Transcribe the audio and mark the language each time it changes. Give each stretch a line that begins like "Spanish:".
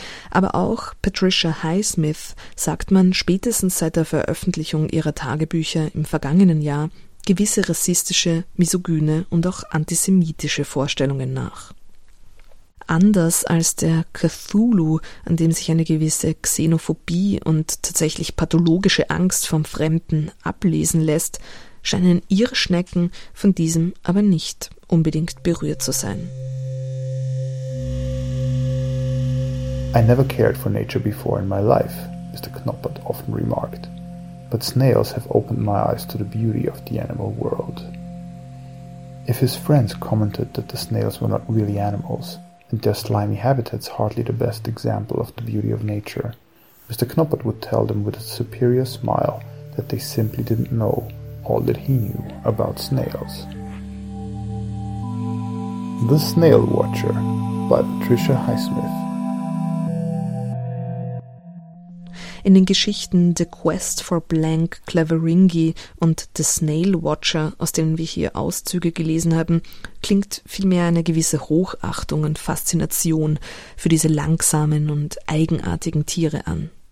German: Aber auch Patricia Highsmith, sagt man spätestens seit der Veröffentlichung ihrer Tagebücher im vergangenen Jahr, gewisse rassistische, misogyne und auch antisemitische Vorstellungen nach. Anders als der Cthulhu, an dem sich eine gewisse Xenophobie und tatsächlich pathologische Angst vom Fremden ablesen lässt, scheinen ihre Schnecken von diesem aber nicht unbedingt berührt zu sein.
English: I never cared for nature before in my life, Mr. Knoppert often remarked, but snails have opened my eyes to the beauty of the animal world. If his friends commented that the snails were not really animals, and their slimy habitats hardly the best example of the beauty of nature, Mr. Knoppert would tell them with a superior smile that they simply didn't know all that he knew about snails. The Snail Watcher by Patricia Highsmith.
German: In den Geschichten The Quest for Blank Clavaringi und The Snail Watcher, aus denen wir hier Auszüge gelesen haben, klingt vielmehr eine gewisse Hochachtung und Faszination für diese langsamen und eigenartigen Tiere an.